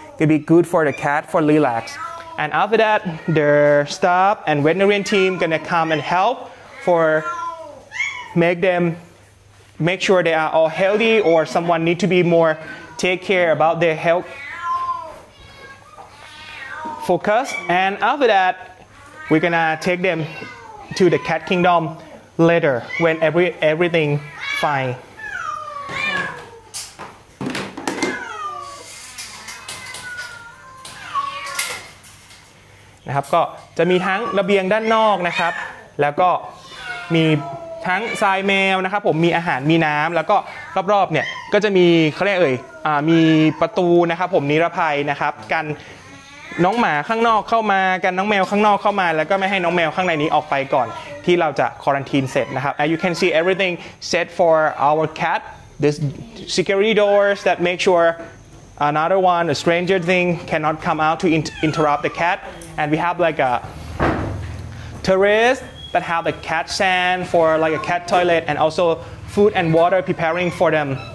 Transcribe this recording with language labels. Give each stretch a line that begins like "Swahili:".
English: It'll be good for the cat for relax. And after that, their staff and veterinarian team gonna come and help for make sure they are all healthy or someone need to be more take care about their health. Focus and after that we're gonna take them to the cat kingdom later when everything fine
Thai: นะครับก็จะมีทั้งระเบียงด้านนอกนะครับแล้วก็มีทั้งทรายแมวนะครับผมมีอาหารมีน้ำแล้วก็รอบๆเนี่ย ก็จะมีเขาเรียกเอ่ยมีประตูนะครับผมนิรภัยนะครับกันน้องหมาข้างนอกเข้ามากันน้องแมวข้างนอกเข้ามาแล้วก็ไม่ให้น้องแมวข้างในนี้ออกไปก่อนที่เราจะควอรันทีนเสร็จนะครับ
English: you can see everything set for our cat this security doors that make sureAnother one, a stranger thing, cannot come out to interrupt the cat. And we have like a terrace that have a cat sand for like a cat toilet and also food and water preparing for them.